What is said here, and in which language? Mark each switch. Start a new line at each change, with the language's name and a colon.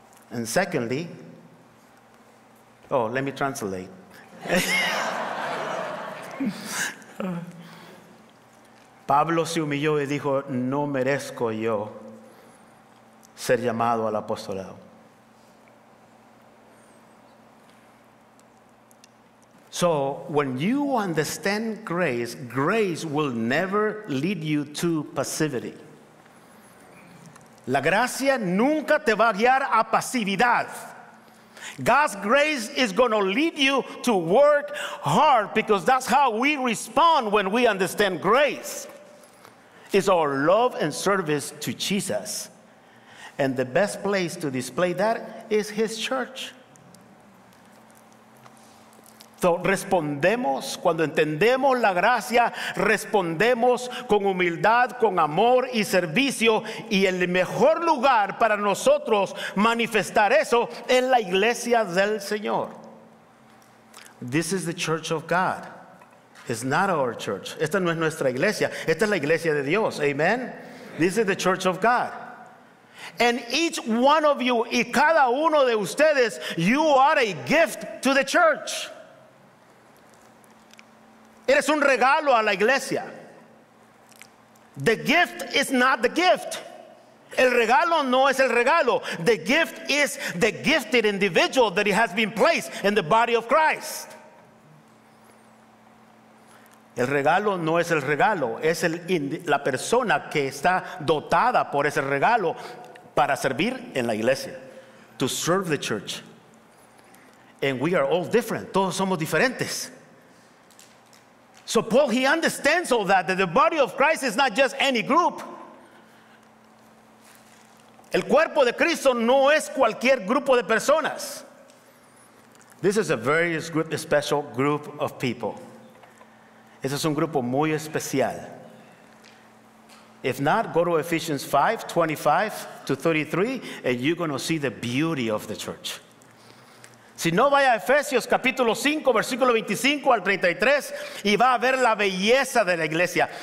English: And secondly, oh, let me translate.
Spanish: Pablo se humilló y dijo, no merezco yo ser llamado al apostolado.
English: So when you understand grace, grace will never lead you to passivity.
Spanish: La gracia nunca te va a guiar a pasividad.
English: God's grace is going to lead you to work hard, because that's how we respond when we understand grace. It's our love and service to Jesus. And the best place to display that is his church.
Spanish: So respondemos, cuando entendemos la gracia, respondemos con humildad, con amor y servicio. Y el mejor lugar para nosotros manifestar eso es la iglesia del Señor.
English: This is the church of God. It's not our church.
Spanish: Esta no es nuestra iglesia. Esta es la iglesia de Dios. Amen.
English: This is the church of God. And each one of you,
Spanish: y cada uno de ustedes,
English: you are a gift to the church.
Spanish: Eres un regalo a la iglesia.
English: The gift is not the gift.
Spanish: El regalo no es el regalo.
English: The gift is the gifted individual that has been placed in the body of Christ.
Spanish: El regalo no es el regalo. Es la persona que está dotada por ese regalo para servir en la iglesia.
English: To serve the church. And we are all different.
Spanish: Todos somos diferentes.
English: So Paul, he understands all that, that the body of Christ is not just any group.
Spanish: El cuerpo de Cristo no es cualquier grupo de personas.
English: This is a very special group of people.
Spanish: Este es un grupo muy especial.
English: If not, go to Ephesians 5, 25 to 33, and you're going to see the beauty of the church.
Spanish: Si no, vaya a Efesios capítulo 5, versículo 25 al 33, y va a ver la belleza de la iglesia.